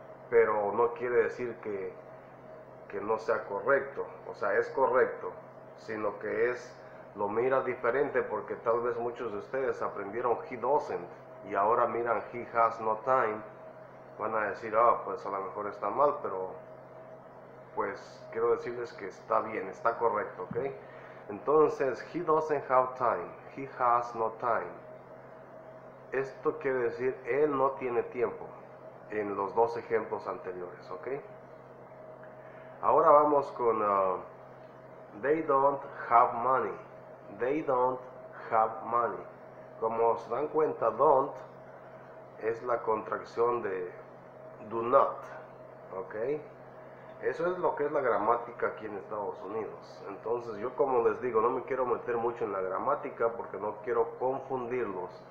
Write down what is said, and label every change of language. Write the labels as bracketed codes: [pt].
[es] Pero no quiere decir que no sea correcto, o sea, es correcto, sino que es... Lo mira diferente porque tal vez muchos de ustedes aprendieron [en] he doesn't [es] y ahora miran [en] he has no time. [es] Van a decir, ah, pues a lo mejor está mal, pero pues quiero decirles que está bien, está correcto, ¿ok? [en] Entonces, he doesn't have time, he has no time. [es] Esto quiere decir, él no tiene tiempo en los dos ejemplos anteriores, ¿ok? Ahora vamos con [en] they don't have money. They don't have money. [es] Como se dan cuenta, don't es la contracción de [en] do not. [es] ¿Ok? Eso es lo que es la gramática aquí en Estados Unidos. Entonces, yo como les digo, no me quiero meter mucho en la gramática porque no quiero confundirlos.